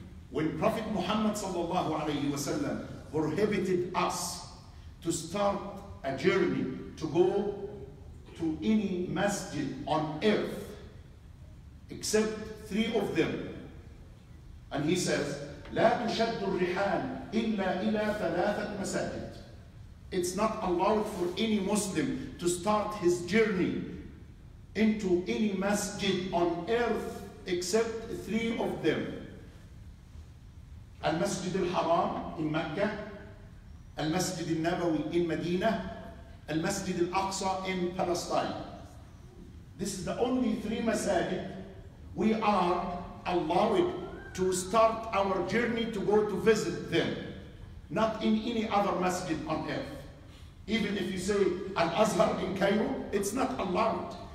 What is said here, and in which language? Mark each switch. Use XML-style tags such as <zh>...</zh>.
<en>When Prophet Muhammad sallallahu alayhi wa sallam prohibited us to start a journey to go to any masjid on earth except three of them. And he says,</en> <ar>لا تشد الرحال إلا إلى ثلاثة مساجد.</ar> <en>It's not allowed for any Muslim to start his journey into any masjid on earth except three of them. المسجد الحرام in Mecca, المسجد النبوي in مدينة, المسجد الأقصى in Palestine. This is the only three masajid we are allowed to start our journey to go to visit them, not in any other masjid on earth. Even if you say Al-Azhar in Cairo, it's not allowed.</en>